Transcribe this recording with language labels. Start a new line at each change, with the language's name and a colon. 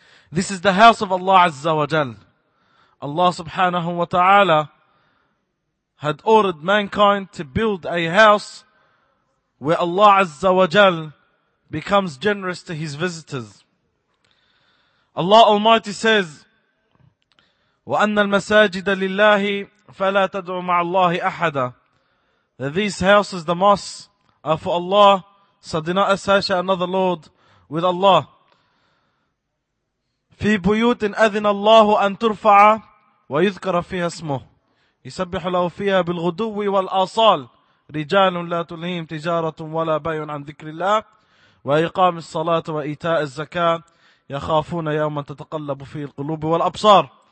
English: This is the house of Allah Azza wa Jal. Allah subhanahu wa ta'ala had ordered mankind to build a house where Allah Azza wa Jal becomes generous to his visitors. Allah Almighty says,
Arabic: وَأَنَّ الْمَسَاجِدَ لِلَّهِ فَلَا تَدْعُوا مَعَ اللَّهِ أَحَدًا.
English: That these houses, the mosques, are for Allah, so do not associate another Lord with Allah.
Arabic: فِي بُيُوتٍ أَذِنَ اللَّهُ أَن تُرْفَعَ وَيُذْكَرَ فِيهَا اسْمُهُ يُسَبِّحُ لَهُ فِيهَا بِالْغُدُوِّ وَالْآصَالِ رِجَالٌ لَا تُلْهِيهِمْ تِجَارَةٌ وَلَا بَيْعٌ عَن ذِكْرِ اللَّهِ وَإِقَامِ الصَّلَاةِ وَإِيتَاءِ الزَّكَاةِ يَخَافُونَ يَوْمًا تَتَقَلَّبُ فِيهِ الْقُلُوبُ وَالْأَبْصَارُ.